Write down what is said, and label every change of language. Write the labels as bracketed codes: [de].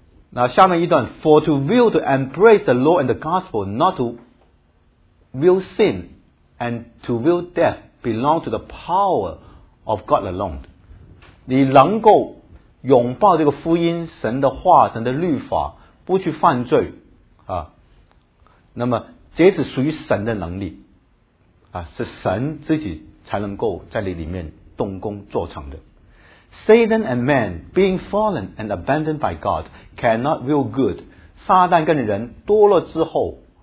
[en] 那下面一段 For to will to embrace the law and the gospel, not to will sin and to will death belong to the power of God alone. [zh] 你能够拥抱这个福音神的话神的律法不去犯罪啊，那么这是属于神的能力啊，是神自己才能够在你里面动工做成的。 [en] Satan and man being fallen and abandoned by God cannot will good， [zh] 撒旦跟人堕落之后